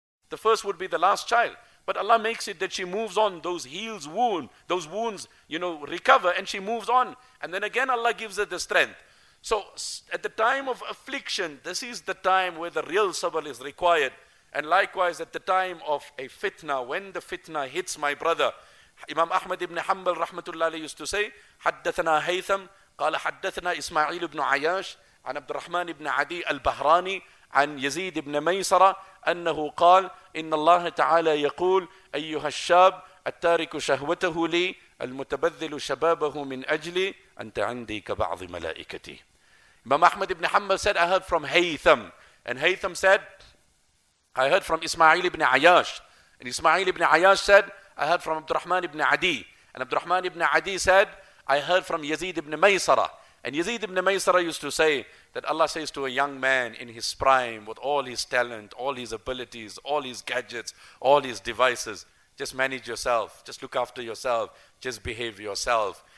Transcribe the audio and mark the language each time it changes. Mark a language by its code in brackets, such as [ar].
[en] The first would be the last child. But Allah makes it that she moves on, those wounds, you know, recover, and she moves on. And then again, Allah gives her the strength. So at the time of affliction, this is the time where the real sabr is required. And likewise, at the time of a fitna, when the fitna hits my brother, Imam Ahmad ibn Hanbal rahmatullah alayhi used to say, [ar] حدثنا هيثم قال حدثنا إسماعيل بن عياش عن عبد الرحمن بن عدي البهراني عن يزيد بن ميسرة أنه قال إن الله تعالى يقول أيها الشاب التارك شهوته لي المتبذل شبابه من أجلي أنت عندي كبعض ملائكتي. [en] Imam Ahmad ibn Hanbal said, I heard from Haytham. And Haytham said, I heard from Ismail ibn Ayash. And Ismail ibn Ayash said, I heard from Abdurrahman ibn Adi. And Abdurrahman ibn Adi said, I heard from Yazid ibn Maysara. And Yazid ibn Maysara used to say that Allah says to a young man in his prime, with all his talent, all his abilities, all his gadgets, all his devices, just manage yourself, just look after yourself, just behave yourself.